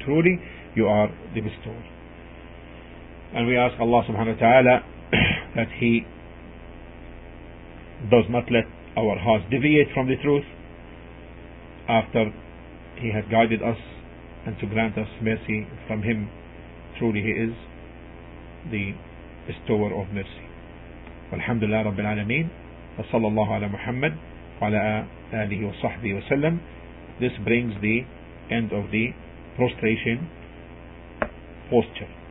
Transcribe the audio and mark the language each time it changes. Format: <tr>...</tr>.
<en>Truly, you are the bestower. And we ask Allah subhanahu wa ta'ala that He does not let our hearts deviate from the truth after He has guided us and to grant us mercy from Him. Truly, He is the bestower of mercy.</en> <ar>والحمد لله رب العالمين وصلى الله على محمد وعلى آله وصحبه وسلم.</ar> <en>This brings the end of the prostration posture.</en>